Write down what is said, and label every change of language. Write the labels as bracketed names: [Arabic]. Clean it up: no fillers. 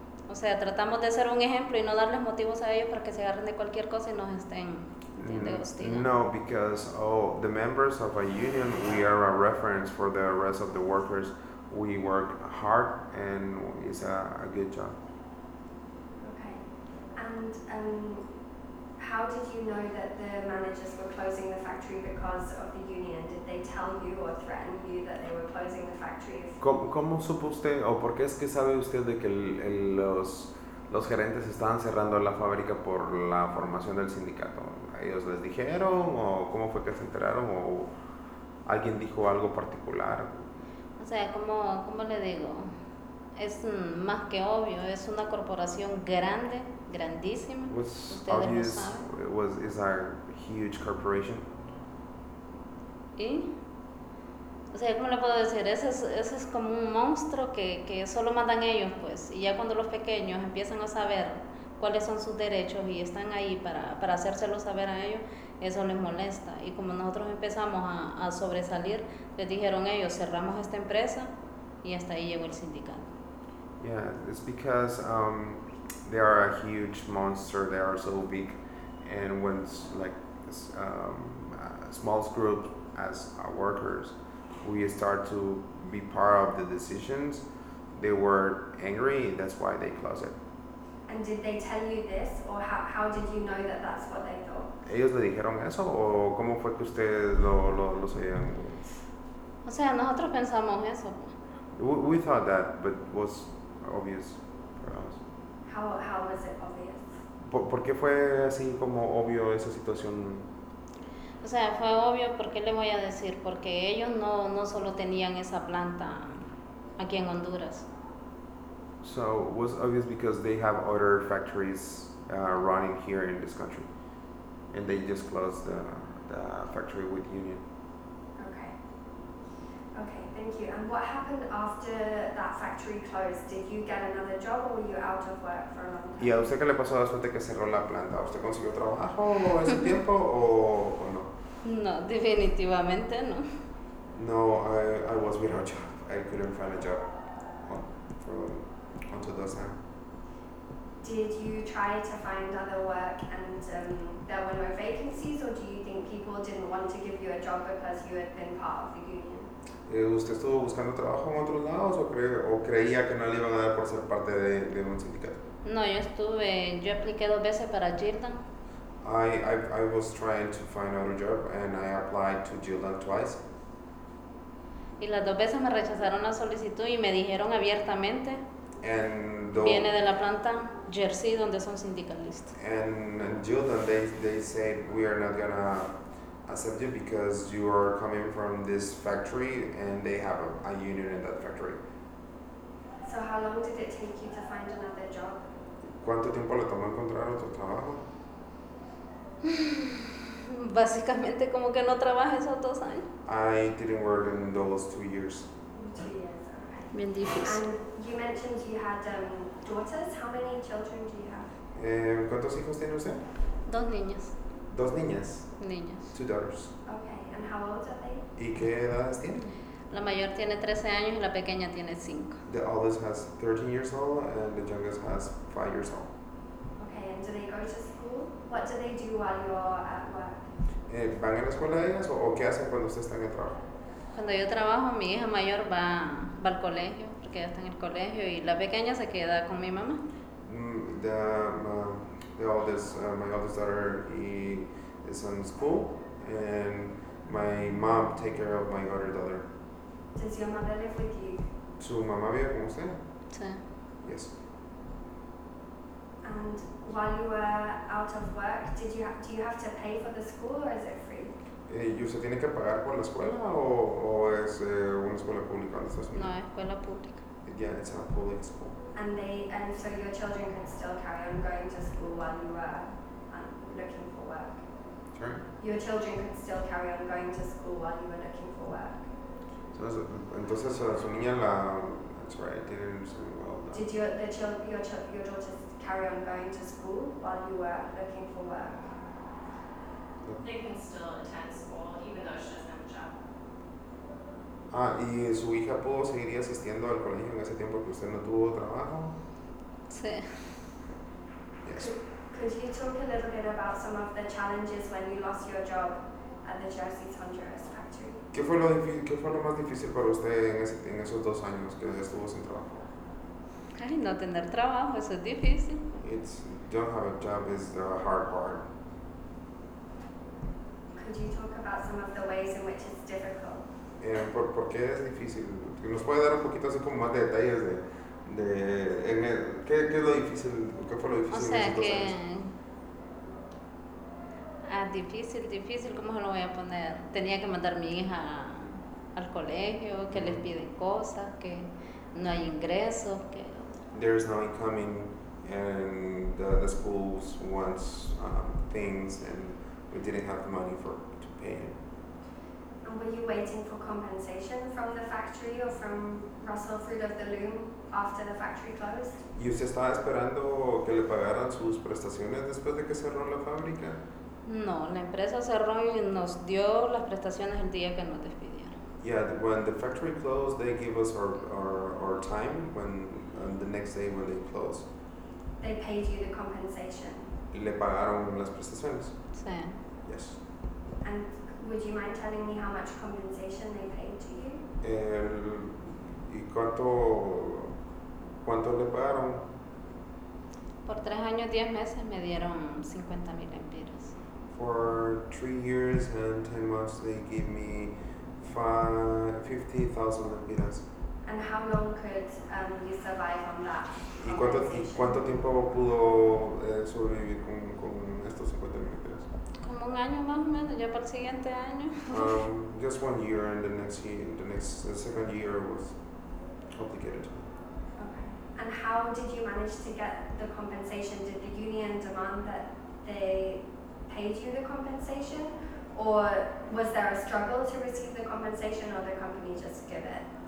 [Spanish] O sea, tratamos de ser un ejemplo y no darles motivos a ellos para que se agarren de cualquier cosa y nos estén. [English] No, because the members of a union, we are a reference for the rest of the workers. We work hard and it's a good job. Okay. And how did you know that the managers were closing the factory because of the union? Did they tell you or threaten you that they were closing the factory? [Spanish] ¿Cómo supo usted o por qué es que sabe usted de que los gerentes estaban cerrando la fábrica por la formación del sindicato? ¿Ellos les dijeron o cómo fue que se enteraron o alguien dijo algo particular? O sea, ¿cómo le digo? Es más que obvio, es una corporación grande, grandísima. [English] Was obvious, is a huge corporation. [Spanish] ¿Y? O sea, ¿cómo le puedo decir? Ese es como un monstruo que solo mandan ellos, pues. Y ya cuando los pequeños empiezan a saber cuáles son sus derechos y están ahí para hacérselo saber a ellos, eso les molesta. Y como nosotros empezamos a sobresalir, les dijeron ellos, cerramos esta empresa y hasta ahí llegó el sindicato. [English] Yeah, it's because they are a huge monster, they are so big, and when a small group as our workers, we start to be part of the decisions, they were angry, that's why they closed it. And did they tell you this, or how did you know that that's what they thought? [Spanish] ¿Ellos le dijeron eso, o cómo fue que ustedes lo sabían? O sea, nosotros pensamos eso. [English] We thought that, but was obvious for us. How was it obvious? [Spanish] ¿Por qué fue así como obvio esa situación? O sea, fue obvio, ¿por qué le voy a decir? Porque ellos no solo tenían esa planta aquí en Honduras. [English] So, it was obvious because they have other factories running here in this country. And they just closed the factory with union. Okay, thank you. And what happened after that factory closed? Did you get another job or were you out of work for a long time? [Spanish] ¿Y a usted qué le pasó después de que cerró la planta? ¿Usted consiguió trabajo ese tiempo o no? No, definitivamente no. [English] No, I was without a job. I couldn't find a job. Until those time. Did you try to find other work and there were no vacancies, or do you think people didn't want to give you a job because you had been part of the union? [Spanish] ¿Usted estuvo buscando trabajo en otros lados o creía que no le iban a dar por ser parte de un sindicato? No, yo apliqué dos veces para Gildan. [English] I was trying to find another job and I applied to Gildan twice. [Spanish] Y las dos veces me rechazaron la solicitud y me dijeron abiertamente. Viene de la planta Jersey, donde son sindicalistas. [English] And Gildan, they said we are not gonna accept you because you are coming from this factory and they have a union in that factory. So how long did it take you to find another job? [Spanish] ¿Cuánto tiempo le tomó encontrar otro trabajo? Básicamente como que no trabajé esos dos años. [English] I didn't work in those 2 years. 2 years. [Spanish] Bien difícil. [English] And you mentioned you had daughters. How many children do you have? [Spanish] ¿Cuántos hijos tiene usted? Dos niños. ¿Dos niñas? Niñas. [English] Two daughters. Okay, and how old are they? [Spanish] ¿Y qué edades tienen? La mayor tiene 13 años y la pequeña tiene 5. [English] The oldest has 13 years old and the youngest has 5 years old. Okay, and do they go to school? What do they do while you're at work? [Spanish] ¿Van a la escuela de ellas o qué hacen cuando ustedes están en trabajo? Cuando yo trabajo, mi hija mayor va al colegio, porque ella está en el colegio, y la pequeña se queda con mi mamá. [English] My oldest daughter is in school, and my mom takes care of my other daughter. Does your mother live with you? [Spanish] ¿Su mamá vive con usted? Sí. [English] Yes. And while you were out of work, do you have to pay for the school or is it free? [Spanish] ¿Y usted tiene que pagar por la escuela o es una escuela pública en Estados Unidos? No, escuela pública. [English] Yeah, it's a public school. Okay. And so your children can still carry on going to school while you were looking for work? Sure. Your children can still carry on going to school while you were looking for work? [Spanish] Entonces, su niña la... [English] That's right, I didn't say well. No. Did your daughters carry on going to school while you were looking for work? They can still attend school, even though she doesn't have a job. [Spanish] Ah, ¿y su hija pudo seguir asistiendo al colegio en ese tiempo que usted no tuvo trabajo? Sí. [English] Yes. Could you talk a little bit about some of the challenges when you lost your job at the Jerseys Honduras factory? [Spanish] ¿Qué fue lo más difícil para usted en esos dos años que estuvo sin trabajo? Ay, no tener trabajo, eso es difícil. [English] It's, don't have a job is the hard part. Could you talk about some of the ways in which it's difficult? [Spanish] ¿Por qué es difícil? ¿Nos puede dar un poquito así como más de detalles de en el, qué es lo difícil? ¿Qué fue lo difícil? O sea, que... Ah, difícil, difícil, ¿cómo se lo voy a poner? Tenía que mandar a mi hija al colegio, que les piden cosas, que no hay ingresos, que... [English] There is no incoming, and the schools wants things, and... We didn't have the money for to pay him. And were you waiting for compensation from the factory or from Russell Fruit of the Loom after the factory closed? [Spanish] ¿Y usted estaba esperando que le pagaran sus prestaciones después de que cerró la fábrica? No, la empresa cerró y nos dio las prestaciones el día que nos despidieron. [English] Yeah, when the factory closed, they gave us our time when the next day when they closed. They paid you the compensation. [Spanish] Le pagaron las prestaciones. Sí. [English] Yes. And would you mind telling me how much compensation they paid to you? [Spanish] ¿Y cuánto le pagaron? Por 3 años, 10 meses me dieron 50,000 lempiras. [English] For 3 years and 10 months they gave me 50,000 lempiras. And how long could you survive on that? [Spanish] ¿Y cuánto tiempo pudo sobrevivir con estos 50 mil pesos? Como un año más o menos, ya para el siguiente año. [English] Just 1 year, and the second year was complicated. Okay. And how did you manage to get the compensation? Did the union demand that they paid you the compensation? Or was there a struggle to receive the compensation, or the company just give it?